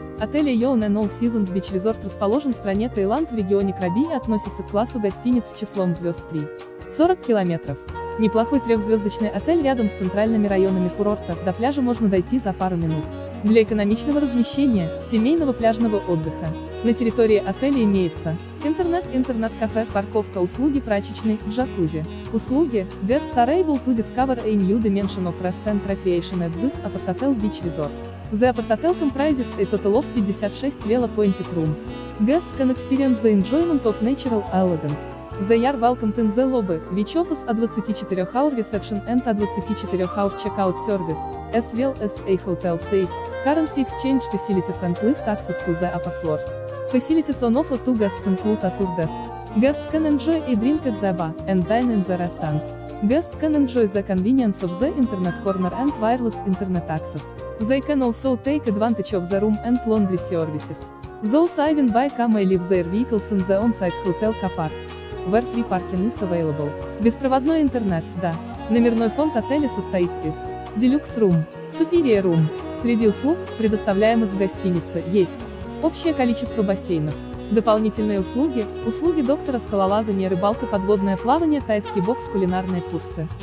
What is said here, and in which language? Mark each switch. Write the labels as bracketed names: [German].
[Russian] Отель AEON and All Seasons Beach Resort расположен в стране Таиланд в регионе Краби и относится к классу гостиниц с числом звезд 3.40 километров. Неплохой трехзвездочный отель рядом с центральными районами курорта, до пляжа можно дойти за пару минут. Для экономичного размещения, семейного пляжного отдыха. На территории отеля имеется интернет, интернет-кафе, парковка, услуги прачечной, джакузи. [English] Услуги – Guests are able to discover a new dimension of rest and recreation at this Apart Hotel Beach Resort. The Apart Hotel comprises a total of 56 well-appointed rooms. Guests can experience the enjoyment of natural elegance. They are welcomed in the lobby, which offers a 24-hour reception and a 24-hour checkout service, as well as a hotel safe, currency exchange facilities and lift access to the upper floors. Facilities on offer to guests include a tour desk. Guests can enjoy a drink at the bar and dine in the restaurant. Guests can enjoy the convenience of the internet corner and wireless internet access. They can also take advantage of the room and laundry services. Those arriving by car may leave their vehicles in the on-site hotel car park. Where free parking is available. [Russian] Беспроводной интернет, да. Номерной фонд отеля состоит из Deluxe Room, Superior Room. Среди услуг, предоставляемых в гостинице, есть общее количество бассейнов, дополнительные услуги, услуги доктора, скалолазания, рыбалка, подводное плавание, тайский бокс, кулинарные курсы.